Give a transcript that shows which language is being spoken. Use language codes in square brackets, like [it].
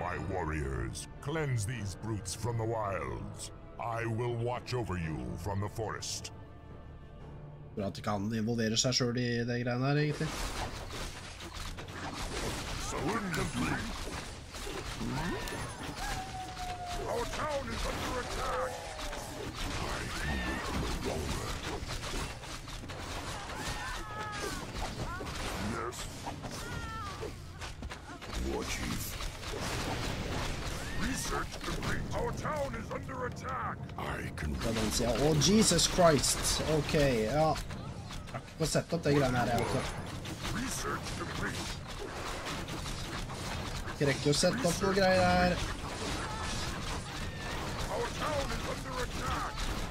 [en] Warriors, cleanse these brutes from the wilds. I will watch over you from the forest. [no] Bra at de kan involvere seg selv i det greiene her, egentlig. [en] So incomplete. Our town is under attack. I can wait no longer. Yes. War chief. Research complete. Our town is under attack. I can read it. Oh, Jesus Christ. Okay, ja. [no] Takk for å sette opp det greiene her, jeg har. [en] Research complete. [no] Ikke rekker å sette opp noe greier her. [en] Our town is under attack.